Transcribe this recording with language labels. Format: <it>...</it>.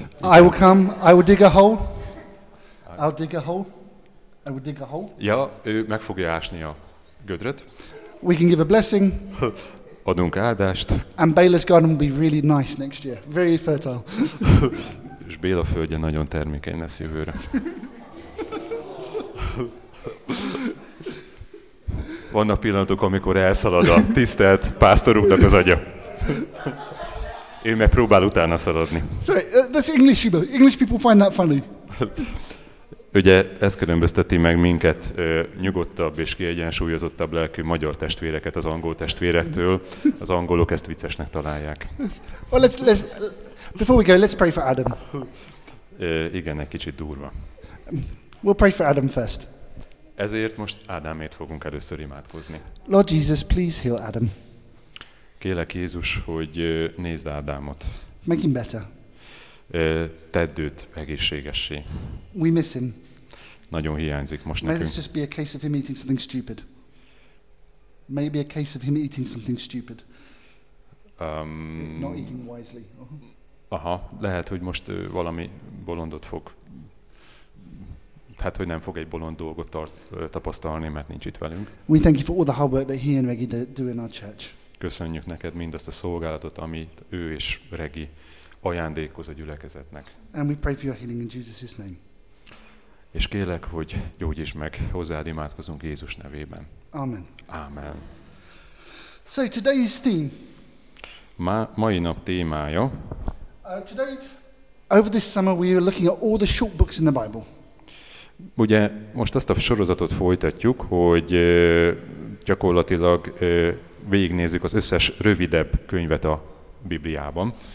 <en>I will come, I will dig a hole. I'll dig a hole. I will dig a hole.</en> <hu>Ja, ő meg fogja ásni a gödröt.</hu> <en>We can give a blessing.</en> <hu>Adunk áldást.</hu> <en>And Béla's garden will be really nice next year. Very fertile.</en> <hu>És Béla földje nagyon termékeny lesz jövőre. Vannak pillanatok, amikor elszalad a tisztelt pásztorunknak az agya. Én meg próbál utána szaladni.</hu> <en>Sorry, that's English, you know. English people find that funny.</en> <hu>Ugye ez különbözteti meg minket nyugodtabb és kiegyensúlyozottabb lelkű magyar testvéreket az angol testvérektől. Az angolok ezt viccesnek találják.</hu> <en>Well, before we go, let's pray for Adam.</en> <hu>Igen, egy kicsit durva.</hu> <en>We'll pray for Adam first.</en> <hu>Ezért most Ádámért fogunk először imádkozni.</hu> <en>Lord Jesus, please heal Adam.</en> <hu>Kélek Jézus, hogy nézd Ádámot.</hu> <en>Make him better.</en> <hu>Tedd őt egészségessé.</hu> <en>We miss him.</en> <hu>Nagyon hiányzik most</hu> <en>May</en> <hu>nekünk.</hu> <en>May this just be a case of him eating something stupid. Maybe a case of him eating something stupid. Not eating wisely.</en> <hu>Aha, lehet, hogy most valami bolondot fog. Hát, hogy nem fog egy bolond dolgot tapasztalni, mert nincs itt velünk.</hu> <en>We thank you for all the hard work that he and Reggie do in our church.</en> <hu>Köszönjük neked mindazt a szolgálatot, amit ő és Regi ajándékoz a gyülekezetnek.</hu> <en>And we pray for your healing in Jesus' name.</en> <hu>És kérlek, hogy gyógyíts meg, hozzád imádkozunk Jézus nevében.</hu> <en>Amen.</en> <hu>Amen.</hu> <en>So today's theme.</en> <hu>Mai nap témája.</hu> <en>Today, over this summer, we are looking at all the short books in the Bible.</en> <hu>Ugye most azt a sorozatot folytatjuk, hogy gyakorlatilag végignézzük az összes rövidebb könyvet a Bibliában.</hu>